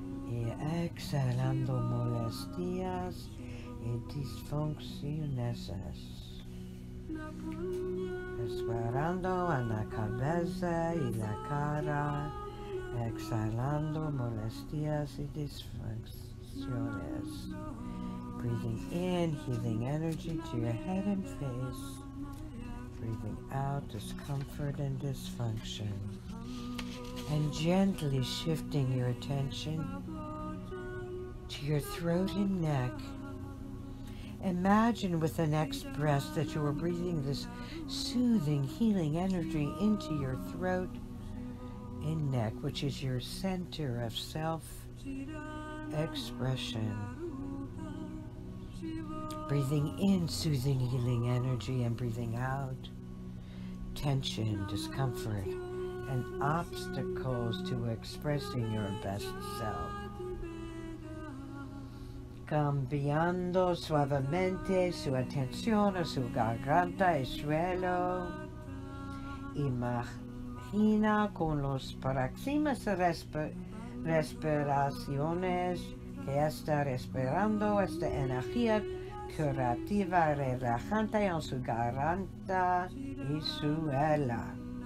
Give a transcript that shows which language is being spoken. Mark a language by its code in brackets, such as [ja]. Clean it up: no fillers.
[es] Y exhalando molestias y disfunciones. Respirando en la cabeza y la cara, exhalando molestias y disfunciones. [en] Breathing in, healing energy to your head and face. Breathing out, discomfort and dysfunction. And gently shifting your attention to your throat and neck. Imagine with the next breath that you are breathing this soothing, healing energy into your throat and neck, which is your center of self-expression. Breathing in soothing, healing energy and breathing out tension, discomfort, and obstacles to expressing your best self. [es] Cambiando suavemente su atención a su garganta y suelo. Imagina con las próximas respiraciones que está respirando esta energía curativa relajante en su garganta y suelo.